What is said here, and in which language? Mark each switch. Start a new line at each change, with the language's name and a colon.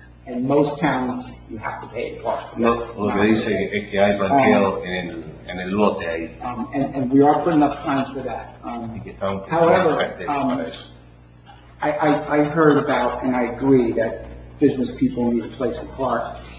English: In most towns, you have to pay to park.
Spanish: No, lo que dice es que hay parqueo en el lote ahí.
English: And we are putting up signs for that. However, I heard about, and I agree, that business people need a place to park.